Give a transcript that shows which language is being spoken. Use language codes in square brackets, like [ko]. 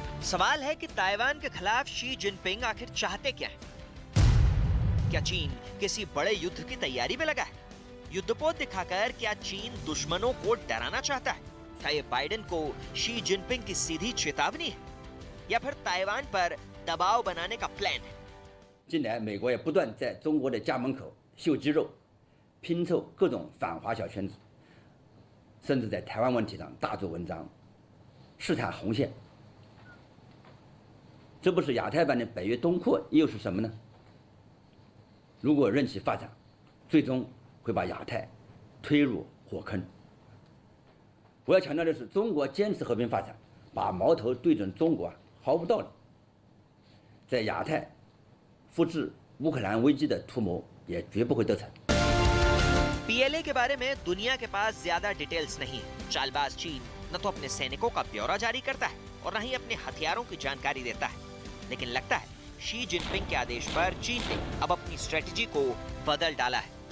[hi] सवाल है कि ताइवान के खिलाफ शी जिनपिंग आखिर चाहते क्या है? क्या चीन किसी बड़े युद्ध की तैयारी में लगा है? युद्धपोत दिखाकर क्या चीन दुश्मनों को डराना चाहता है? क्या ये बाइडेन को शी जिनपिंग की सीधी चेतावनी है, या फिर ताइवान पर दबाव बनाने का प्लान है? [zh] 近来美国也不断在中国的家门口秀肌肉，拼凑各种反华小圈子，甚至在台湾问题上大做文章，试探红线。这不是亚太版的北约东扩又是什么呢？如果任其发展，最终 会把亚太推入火坑。我要强调的是，中国坚持和平发展，把矛头对准中国，毫无道理。在亚太复制乌克兰危机的图谋也绝不会得逞。 [hi] पीएलए के बारे में दुनिया के पास ज्यादा डिटेल्स नहीं। चालबाज चीन न तो अपने सैनिकों का ब्यौरा जारी करता है और न ही अपने हथियारों की जानकारी देता है, लेकिन लगता है शी जिनपिंग के आदेश पर चीन ने अब अपनी स्ट्रेटजी को बदल डाला है।